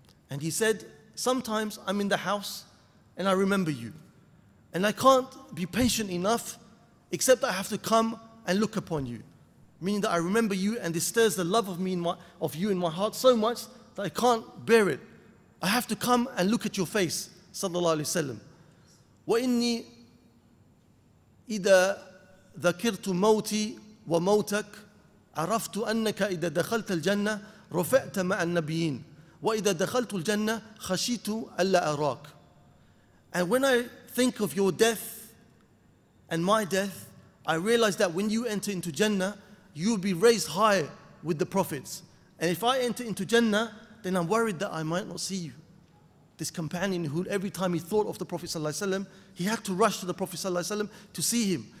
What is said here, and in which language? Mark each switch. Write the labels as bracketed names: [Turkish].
[English] And he said, "Sometimes I'm in the house and I remember you. And I can't be patient enough, except I have to come and look upon you." Meaning that I remember you and this stirs the love of me in my heart so much that I can't bear it. I have to come and look at your face, sallallahu alayhi wa sallam. [Arabic] وَإِنِّي إِذَا ذكرت موتي وموتك عرفت أنك إذا دخلت الجنة رفعت مع النبيين وإذا دخلت الجنة خشيت ألا أراك. [English] And when I think of your death and my death, I realize that when you enter into Jannah, you'll be raised high with the prophets. And if I enter into Jannah, then I'm worried that I might not see you. This companion who every time he thought of the Prophet sallallahu alaihi wasallam, he had to rush to the Prophet sallallahu alaihi wasallam to see him.